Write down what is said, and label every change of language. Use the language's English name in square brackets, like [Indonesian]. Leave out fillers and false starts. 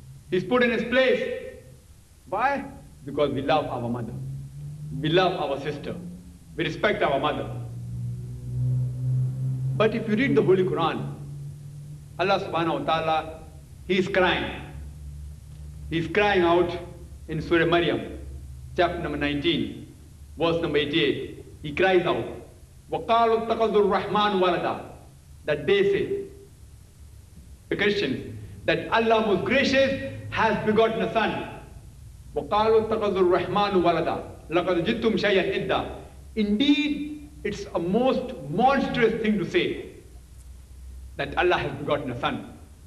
[English] He's put in his place. Why? Because we love our mother. We love our sister. We respect our mother. But if you read the Holy Quran, Allah subhanahu wa ta'ala, he is crying. He is crying out in Surah Maryam, chapter number 19, verse number 88. He cries out, [Arabic] وَقَالُوا اتَّخَذُوا الرَّحْمَنُ وَلَدًا. [English] That they say, the Christians, that Allah most gracious has begotten a son. [Arabic] وَقَالُوا اتَّخَذُوا الرَّحْمَنُ وَلَدًا. لَقَدْ جِتُّمْ شَيْئًا إِدًّا. [English] Indeed, it's a most monstrous thing to say that Allah has begotten a son.